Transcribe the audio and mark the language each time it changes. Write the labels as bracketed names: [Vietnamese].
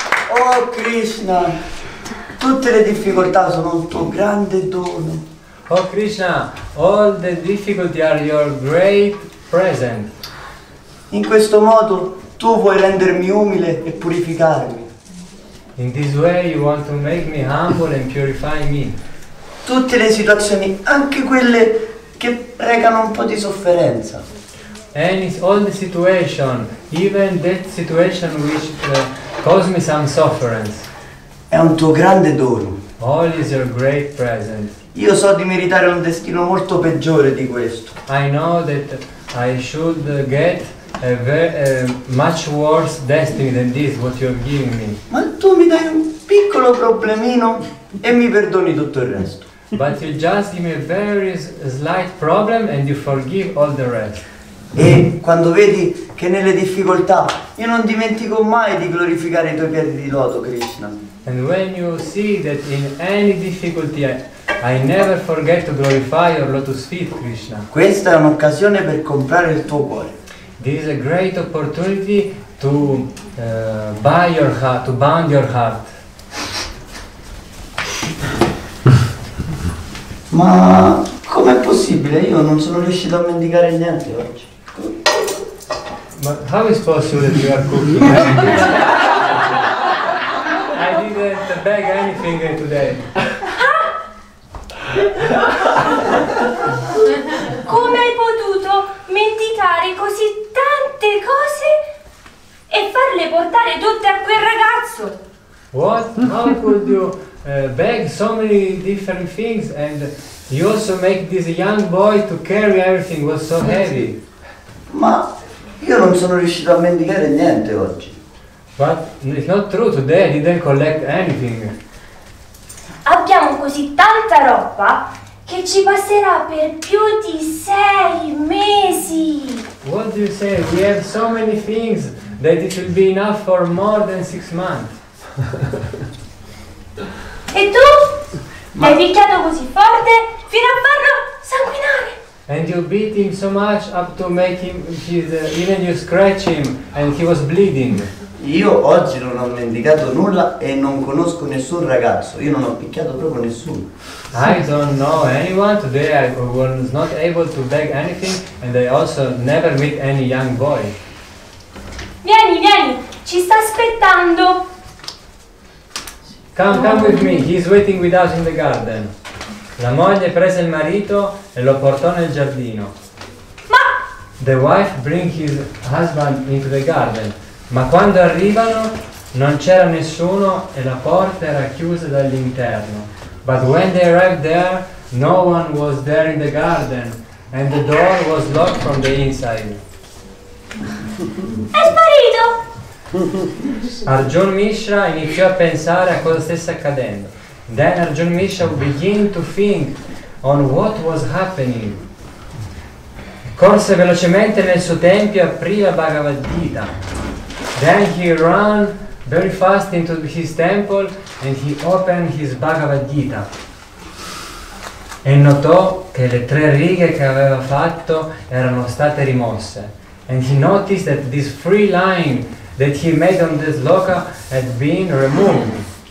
[Italian] Oh Krishna, tutte le difficoltà sono un tuo grande dono. [English] Oh Krishna, all the difficulties are your great present. [Italian] In questo modo tu vuoi rendermi umile e purificarmi. [English] In this way you want to make me humble and purify me. [Italian] Tutte le situazioni, anche quelle che recano un po' di sofferenza. [English] And it's all the situation, even that situation which caused me some suffering. [Italian] È un tuo grande dono. [English] All is your great present. [Italian] Io so di meritare un destino molto peggiore di questo. [English] I know that I should get a much worse destiny than this, what you have given me. [Italian] Ma tu mi dai un piccolo problemino e mi perdoni tutto il resto. [English] But you just give me a very slight problem and you forgive all the rest. [Italian] E quando vedi che nelle difficoltà io non dimentico mai di glorificare i tuoi piedi di loto, Krishna. [English] And when you see that in any difficulty I never forget to glorify your lotus feet, Krishna. [Italian] Questa è un'occasione per comprare il tuo cuore. [English] This is a great opportunity to buy your heart, to bound your heart. [Italian] Ma com'è possibile? Io non sono riuscito a mendicare niente oggi. [English] Ma how is possible that you are cooking? I didn't bag anything today. [Italian] Come hai potuto mendicare così tante cose e farle portare tutte a quel ragazzo? [English] What? How could you bag so many different things and you also make this young boy to carry everything was so heavy? [Italian] Ma io non sono riuscito a mendicare niente oggi. [English] But it's not true, today I didn't collect anything. [Italian] Abbiamo così tanta roba che ci passerà per più di 6 mesi. [English] What do you say? We have so many things that it will be enough for more than 6 months. [Italian] E tu? Ma... hai picchiato così forte fino a farlo sanguinare. [English] And you beat him so much up to make him, even you scratch him and he was bleeding. [Italian] Io oggi non ho mendicato nulla e non conosco nessun ragazzo. Io non ho picchiato proprio nessuno. [English] I don't know anyone. Today I was not able to beg anything and I also never meet any young boy. [Italian] Vieni, vieni, ci sta aspettando. [English] Come with me, he's waiting with us in the garden. [Italian] La moglie prese il marito e lo portò nel giardino. Ma! [English] The wife bring his husband into the garden. [Italian] Ma quando arrivano non c'era nessuno e la porta era chiusa dall'interno. [English] But when they arrived there, No one was there in the garden, and the door was locked from the inside. [Italian] È sparito! Arjun Mishra iniziò a pensare a cosa stesse accadendo. [English] Then Arjun Mishra began to think on what was happening. [Italian] Corse velocemente nel suo tempio e aprì la Bhagavad Gita. [English] Then he ran very fast into his temple and he opened his Bhagavad Gita. [Italian] E notò che le tre righe che aveva fatto erano state rimosse. [English] And he noticed that this free line that he made on this loka had been removed.